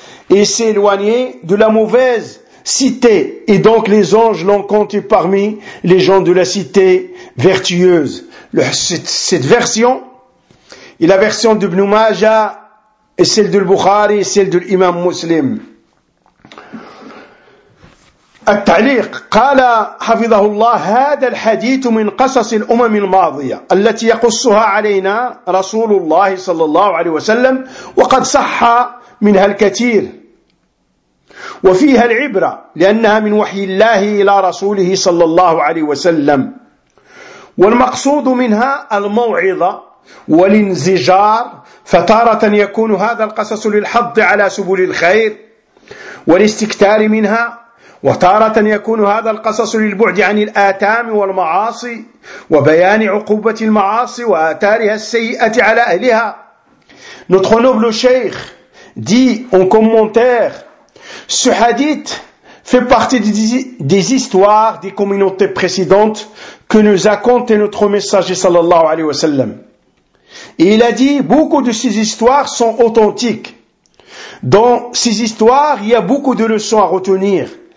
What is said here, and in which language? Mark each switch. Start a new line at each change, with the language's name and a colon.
French: Il s'est éloigné de la mauvaise cité. Et donc, les anges l'ont compté parmi les gens de la cité vertueuse. Cette version est la version d'Ibn Majah et celle de Bukhari et celle de l'imam Muslim.
Arabic: التعليق قال حفظه الله هذا الحديث من قصص الأمم الماضية التي يقصها علينا رسول الله صلى الله عليه وسلم وقد صح منها الكثير وفيها العبرة لأنها من وحي الله إلى رسوله صلى الله عليه وسلم والمقصود منها الموعظة والانزجار فتارة يكون هذا القصص للحظ على سبل الخير والاستكثار منها وتارة يكون هذا القصص للبعد عن الآثام والمعاصي وبيان عقوبة المعاصي وآثارها السيئة على أهلها.
French: Notre noble cheikh dit en commentaire, ce hadith fait partie des histoires des communautés précédentes que nous a conté notre messager sallallahu alayhi wa sallam. Et il a dit, beaucoup de ces histoires sont authentiques. Dans ces histoires, il y a beaucoup de leçons à retenir.